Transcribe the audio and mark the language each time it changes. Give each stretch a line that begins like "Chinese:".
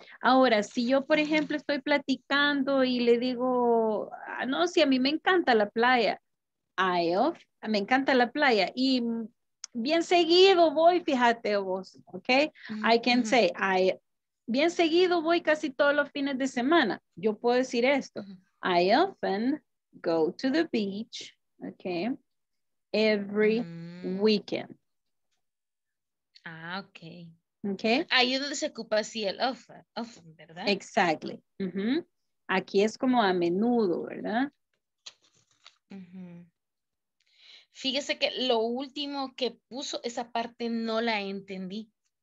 Spanish: Ahora, si yo, por ejemplo, estoy platicando y le digo, ah, no, si a mí me encanta la playa, me encanta la playa y bien seguido voy, fíjate vos, ok? Mm-hmm.
English: I can say,
Spanish: bien seguido voy casi todos los fines de semana. Yo puedo decir esto. Mm-hmm.
English: I often go to the beach, ok, every mm-hmm. weekend. Ah, okay. Okay.
Spanish: Ahí es donde se ocupa así el often, ¿verdad? Exactly. Mm-hmm. Aquí es como a menudo, ¿verdad? Mm-hmm. Fíjese que lo último que puso, esa parte no la entendí.